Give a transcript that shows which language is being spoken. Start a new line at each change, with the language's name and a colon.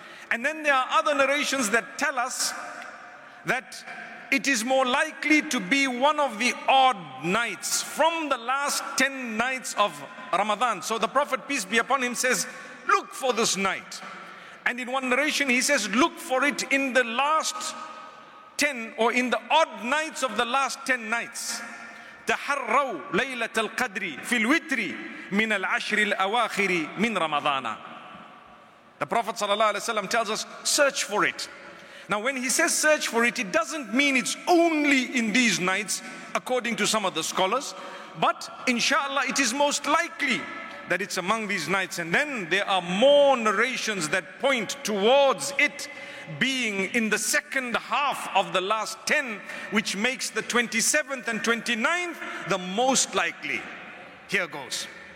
English: And then there are other narrations that tell us that it is more likely to be one of the odd nights from the last 10 nights of Ramadan. So the Prophet, peace be upon him, says, look for this night. And in one narration he says, look for it in the last 10 or in the odd nights of the last 10 nights.
Arabic: تحروا ليلة القدر في الوتر من العشر الأواخر من رمضان.
English: The Prophet sallallahu alaihi wasallam tells us, search for it. Now when he says search for it, it doesn't mean it's only in these nights, according to some of the scholars, but inshallah it is most likely that it's among these nights. And then there are more narrations that point towards it being in the second half of the last 10, which makes the 27th and 29th the most likely. Here goes.